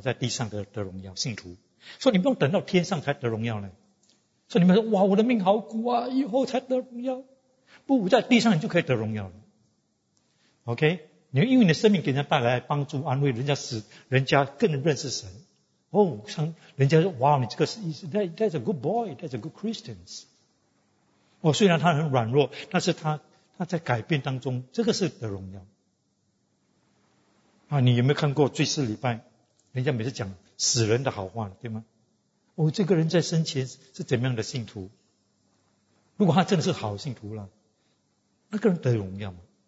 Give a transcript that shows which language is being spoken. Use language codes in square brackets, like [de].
[zh] 在地上得荣耀，信徒，所以你不用等到天上才得荣耀呢。所以你们说哇，我的命好苦啊，以后才得荣耀。不，在地上你就可以得荣耀了。OK，你因为你的生命给人家带来帮助安慰，人家使人家更认识神。哦，像人家说，哇，你这个是 [en] that's a good boy, that's a good Christian。 [zh] 哦，虽然他很软弱，但是他在改变当中，这个是得荣耀。啊，你有没有看过追思礼拜？人家每次讲死人的好话，对吗？哦，这个人在生前是怎么样的信徒？如果他真的是好信徒了，那个人得荣耀吗？